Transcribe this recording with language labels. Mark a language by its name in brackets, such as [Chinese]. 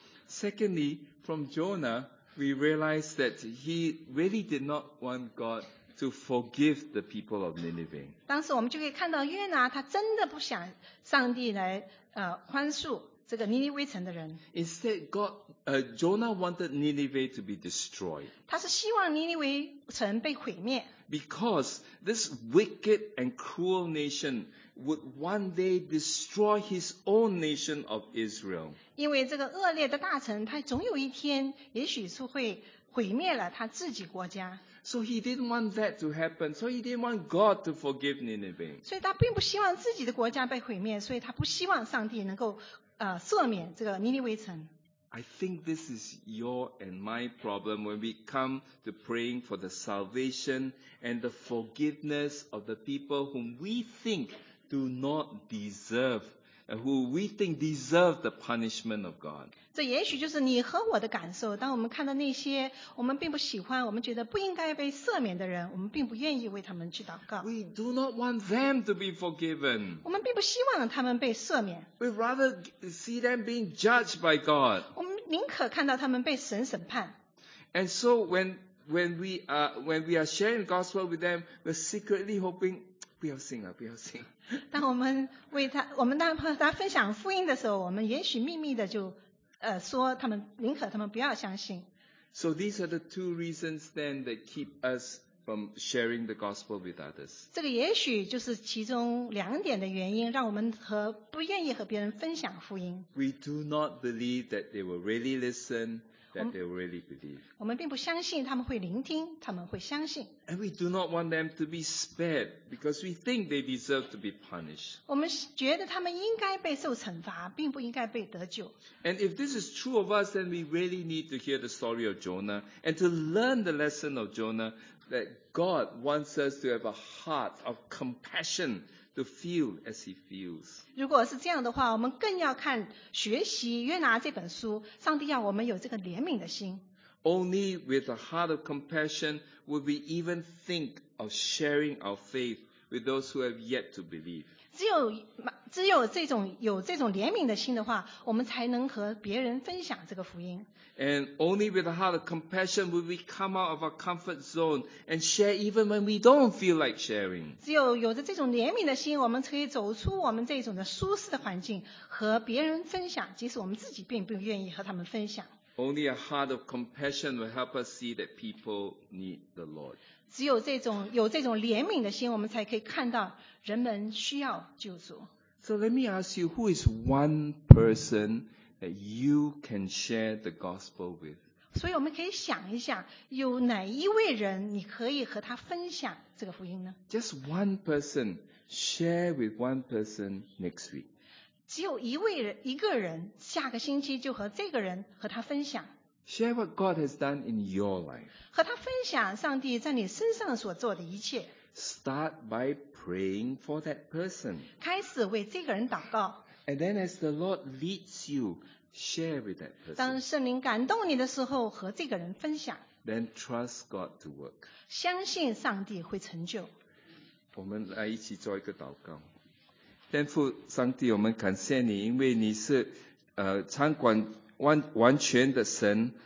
[English] Secondly, from Jonah, we realize that he really did not want God to forgive the people of Nineveh. [Chinese] 当时我们就可以看到约拿他真的不想上帝来宽恕这个尼尼微城的人。 [English] Instead, God, Jonah wanted Nineveh to be destroyed. [Chinese] 他是希望尼尼微城被毁灭。 [English] Because this wicked and cruel nation would one day destroy his own nation of Israel. [Chinese] 因为这个恶劣的大臣，他总有一天也许是会毁灭了他自己国家。 [English] So he didn't want that to happen. So he didn't want God to forgive Nineveh. [Chinese] 所以他并不希望自己的国家被毁灭，所以他不希望上帝能够赦免这个尼尼微城。 [English] I think this is your and my problem when we come to praying for the salvation and the forgiveness of the people whom we think do not deserve, who we think deserve the punishment of God. [Chinese] 这也许就是你和我的感受，当我们看到那些我们并不喜欢，我们觉得不应该被赦免的人，我们并不愿意为他们去祷告。 [English] We do not want them to be forgiven. [Chinese] 我们并不希望他们被赦免。 [English] We'd rather see them being judged by God. [Chinese] 我们宁可看到他们被神审判。 [English] And so when we are sharing the gospel with them, we're secretly hoping, [Chinese] 不要信啊，不要信。当我们为他，我们当他分享福音的时候，我们也许秘密的就说他们，宁可他们不要相信。 [English] So these are the two reasons then that keep us from sharing the gospel with others. [Chinese] 这个也许就是其中两点的原因，让我们和不愿意和别人分享福音。 [English] We do not believe that they will really listen. That they really believe. [Chinese] 我们并不相信他们会聆听，他们会相信。 [English] And we do not want them to be spared because we think they deserve to be punished. [Chinese] 我们觉得他们应该被受惩罚，并不应该被得救。 [English] And if this is true of us, then we really need to hear the story of Jonah and to learn the lesson of Jonah that God wants us to have a heart of compassion. To feel as he feels. [Chinese] 如果是这样的话，我们更要看学习约拿这本书。上帝要我们有这个怜悯的心。 [English] Only with a heart of compassion would we even think of sharing our faith with those who have yet to believe. [Chinese] 只有这种怜悯的心的话，我们才能和别人分享这个福音。 [English] And only with a heart of compassion will we come out of our comfort zone and share even when we don't feel like sharing. [Chinese] 只有有着这种怜悯的心，我们可以走出我们这种的舒适的环境，和别人分享，即使我们自己并不愿意和他们分享。 [English] Only a heart of compassion will help us see that people need the Lord. [Chinese] 只有有这种怜悯的心，我们才可以看到人们需要救赎。 [English] So let me ask you, who is one person that you can share the gospel with? [Chinese] 所以我们可以想一想，有哪一位人你可以和他分享这个福音呢？ [English] Just one person, share with one person next week. [Chinese] 只有一个人，下个星期就和这个人和他分享。 [English] Share what God has done in your life. [Chinese] 和他分享上帝在你身上所做的一切。 [English] Start by praying for that person. [Chinese] 开始为这个人祷告。 [English] And then as the Lord leads you, share with that person. [Chinese] 当圣灵感动你的时候，和这个人分享。 [English] Then trust God to work. [Chinese] 相信上帝会成就。我们来一起做一个祷告。天父上帝，我们感谢你，因为你是掌管完全的神。